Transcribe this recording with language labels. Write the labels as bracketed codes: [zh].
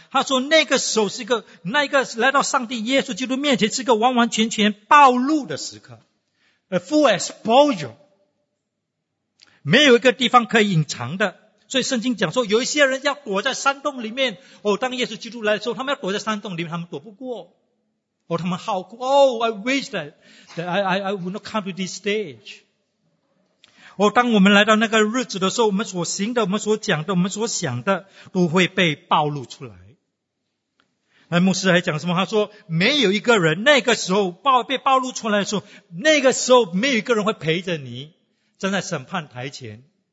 [zh] 他说那个时候是一个，那个来到上帝耶稣基督面前是一个完完全全暴露的时刻， [en] A full exposure， [zh] 没有一个地方可以隐藏的。所以圣经讲说，有一些人要躲在山洞里面。哦，当耶稣基督来的时候，他们要躲在山洞里面，他们躲不过。哦，他们好苦。 [en] Oh, I wish that I would not come to this stage。 [zh] 哦，当我们来到那个日子的时候，我们所行的、我们所讲的、我们所想的，都会被暴露出来。那牧师还讲什么？他说没有一个人那个时候被暴露出来的时候，那个时候没有一个人会陪着你站在审判台前。